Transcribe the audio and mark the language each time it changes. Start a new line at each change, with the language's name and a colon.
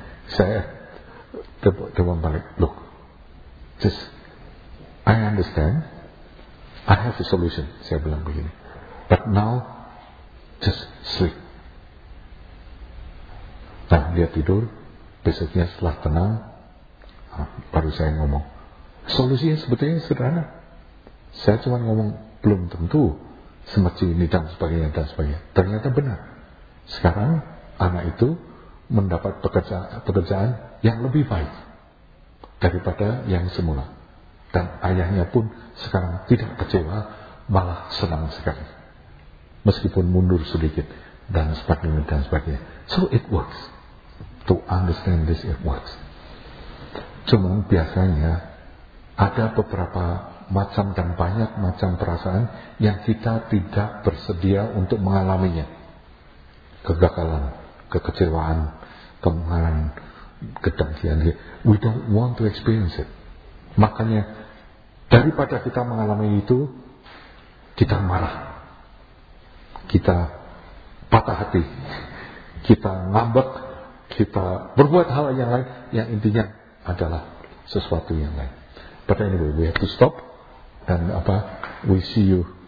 Indonesian: Saya coba balik,
English: look, just, I understand, I have a solution,
Indonesian: saya bilang begini,
English: but now, just sleep.
Indonesian: Nah, dia tidur. Besoknya setelah tenang, baru saya ngomong. Solusinya sebetulnya sederhana. Saya cuma ngomong belum tentu semerci ini dan sebagainya. Ternyata benar. Sekarang anak itu mendapat pekerjaan yang lebih baik daripada yang semula. Dan ayahnya pun sekarang tidak kecewa, malah senang sekali. Meskipun mundur sedikit dan sebagainya.
English: So it works. To understand this, it works.
Indonesian: Cuman biasanya ada beberapa macam dan banyak macam perasaan yang kita tidak bersedia untuk mengalaminya. Kegagalan, kekecewaan, kemarahan, kedengkian.
English: We don't want to experience it.
Indonesian: Makanya daripada kita mengalami itu, kita marah. Kita patah hati, kita ngambek, kita berbuat hal yang lain, yang intinya adalah sesuatu yang lain.
English: But anyway, we have to stop, and we see you.